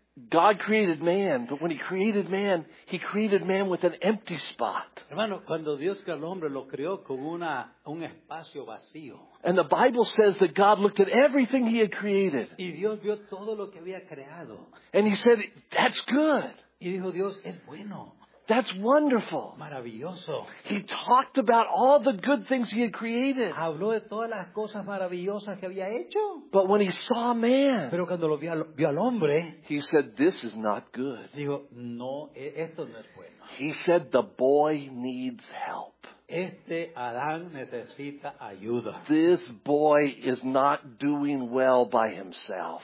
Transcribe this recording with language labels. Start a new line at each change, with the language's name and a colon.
English: God created man, but when he created man with an empty spot.
Spanish: Hermano, cuando Dios creó al hombre, lo creó con un espacio vacío.
English: And the Bible says that God looked at everything he had created.
Spanish: Y Dios vio todo lo que había creado.
English: And he said, that's good.
Spanish: Y dijo Dios, es bueno.
English: That's wonderful.
Spanish: Maravilloso.
English: He talked about all the good things he had created.
Spanish: Habló de todas las cosas maravillosas que había hecho.
English: But when he saw man,
Spanish: pero cuando lo vio al hombre,
English: he said, this is not good.
Spanish: Dijo, no, esto no es bueno.
English: He said, the boy needs help.
Spanish: Este Adán necesita ayuda.
English: This boy is not doing well by himself.